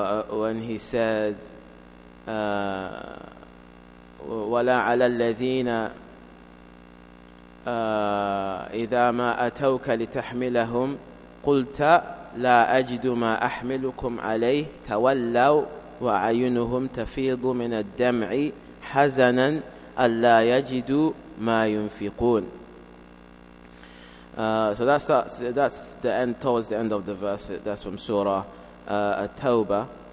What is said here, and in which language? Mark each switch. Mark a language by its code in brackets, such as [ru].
[en] When he said, [ar] وَلَا عَلَى الَّذِينَ إذا ما أتوك لتحملهم قلت لا أجد ما أحملكم عليه تولوا وعينهم تفيض من الدمع حزنا ألا يجدوا ما ينفقون. [en] So that's the end, towards the end of the verse. That's from Surah At-Tawbah.